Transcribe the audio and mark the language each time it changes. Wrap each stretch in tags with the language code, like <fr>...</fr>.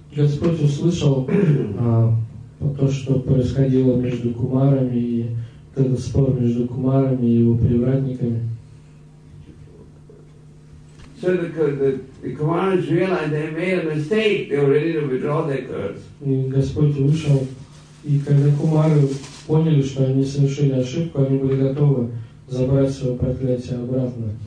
<ru>Господь услышал то, что происходило между Кумарами, и этот спор между Кумарами и его привратниками.</ru> <en>So the Kumaras realized they made a mistake. They were ready to withdraw their curse.</en> <ru>И Господь вышел, и когда Кумары поняли, что они совершили ошибку, они были готовы забрать свое проклятие обратно.</ru>